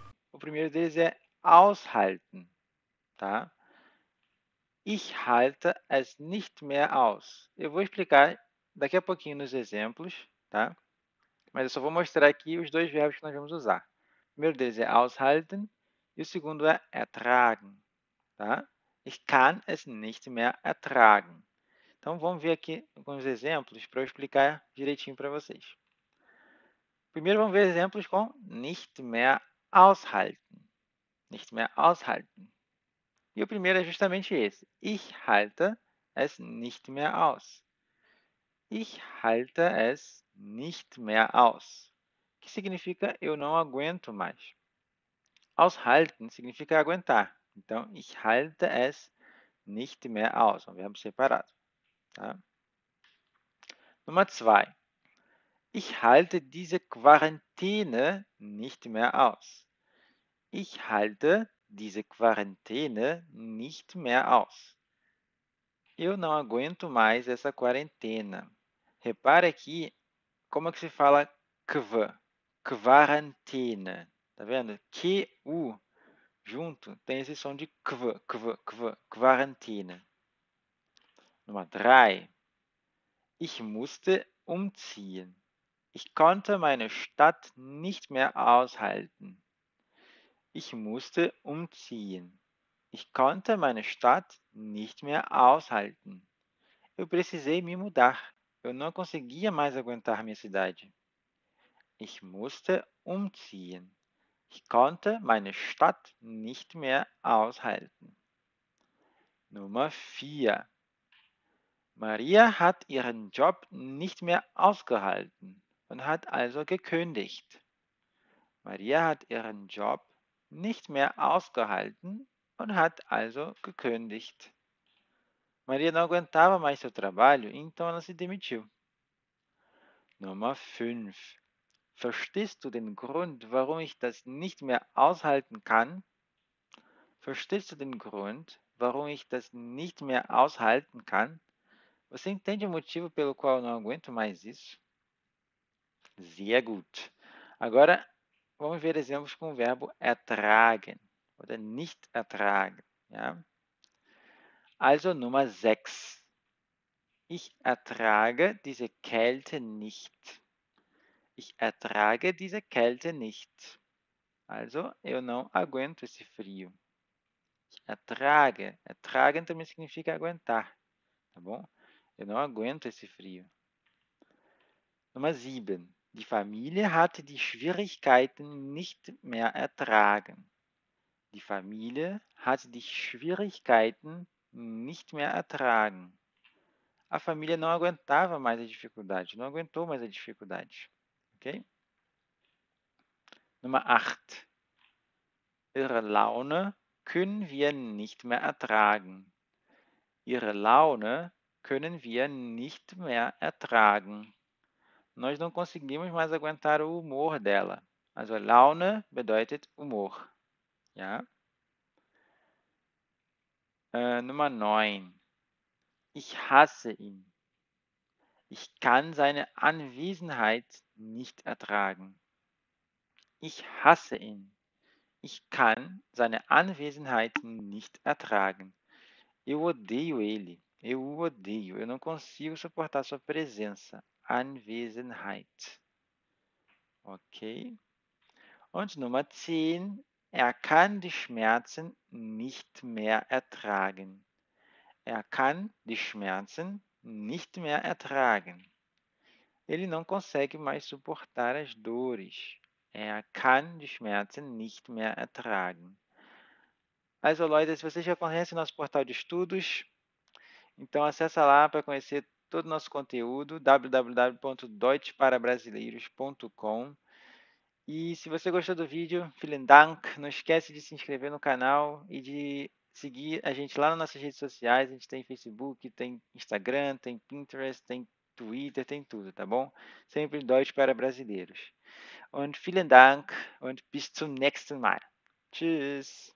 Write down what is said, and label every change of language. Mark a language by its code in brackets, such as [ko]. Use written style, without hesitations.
[pt] O primeiro deles é aushalten. Tá? [de] Ich halte es nicht mehr aus. [pt] Eu vou explicar daqui a pouquinho nos exemplos, tá? Mas eu só vou mostrar aqui os dois verbos que nós vamos usar. O primeiro deles é aushalten e o segundo é ertragen, tá? [de] Ich kann es nicht mehr ertragen. [pt] Então vamos ver aqui alguns exemplos para eu explicar direitinho para vocês. Primeiro vamos ver exemplos com nicht mehr aushalten. [de] Nicht mehr aushalten. [pt] E o primeiro é justamente esse. [de] Ich halte es nicht mehr aus. Ich halte es nicht mehr aus. [pt] Que significa eu não aguento mais. Aushalten significa aguentar. Então, [de] ich halte es nicht mehr aus. [pt] Um verbo separado. Tá? [de] Nummer 2. Ich halte diese Quarantäne nicht mehr aus. Ich halte diese Quarantäne nicht mehr aus. [pt] Eu não aguento mais essa quarentena. Repare aqui como é que se fala kv, quarantäne. Tá vendo? Q junto tem esse som de kv, kv, kv, quarantäne. [de] Nummer 3. Ich musste umziehen. Ich konnte meine Stadt nicht mehr aushalten. Ich musste umziehen. Ich konnte meine Stadt nicht mehr aushalten. [pt] Eu precisei me mudar. Eu não conseguia mais aguentar minha cidade. [de] Ich musste umziehen. Ich konnte meine Stadt nicht mehr aushalten. Nummer 4. Maria hat ihren Job nicht mehr ausgehalten und hat also gekündigt. Maria hat ihren Job nicht mehr ausgehalten und hat also gekündigt. [pt] Maria não aguentava mais seu trabalho, então ela se demitiu. [de] Nummer 5. Verstehst du den Grund, warum ich das nicht mehr aushalten kann? Verstehst du den Grund, warum ich das nicht mehr aushalten kann? [pt] Você entende o motivo pelo qual eu não aguento mais isso? [de] Sehr gut. [pt] Agora, vamos ver exemplos com o verbo ertragen, [de] oder nicht ertragen. Ja? Also, Nummer 6. Ich ertrage diese Kälte nicht. Ich ertrage diese Kälte nicht. [pt] Also, eu não aguento esse frio. [de] Ich ertrage. [pt] Ertragen também significa aguentar. Tá bom? Eu não aguento esse frio. [de] Nummer 7. Die Familie hatte die Schwierigkeiten nicht mehr ertragen. Die Familie hatte die Schwierigkeiten nicht mehr ertragen. [pt] A família não aguentava mais a dificuldade, não aguentou mais a dificuldade. [de] Okay? Nummer 8. Ihre Laune können wir nicht mehr ertragen. Ihre Laune können wir nicht mehr ertragen. [pt] Nós não conseguimos mais aguentar o humor dela. [de] Also, Laune bedeutet Humor. Ja? Nummer 9. Ich hasse ihn. Ich kann seine Anwesenheit nicht ertragen. Ich hasse ihn. Ich kann seine Anwesenheit nicht ertragen. [pt] Eu odeio ele. Eu odeio. Eu não consigo suportar sua presença. [de] Anwesenheit. Okay. Und Nummer 10. Er kann die Schmerzen nicht mehr ertragen. Er kann die Schmerzen nicht mehr ertragen. [pt] Ele não consegue mais suportar as dores. [de] Er kann die Schmerzen nicht mehr ertragen. Also, Leute, [pt] se vocês já conhecem nosso portal de estudos, então acessa lá para conhecer todo o nosso conteúdo, www.deutschparabrasileiros.com. E se você gostou do vídeo, [de] vielen Dank! [pt] Não esquece de se inscrever no canal e de seguir a gente lá nas nossas redes sociais. A gente tem Facebook, tem Instagram, tem Pinterest, tem Twitter, tem tudo, tá bom? Sempre Deutsch para brasileiros. [de] Und vielen Dank und bis zum nächsten Mal. Tschüss!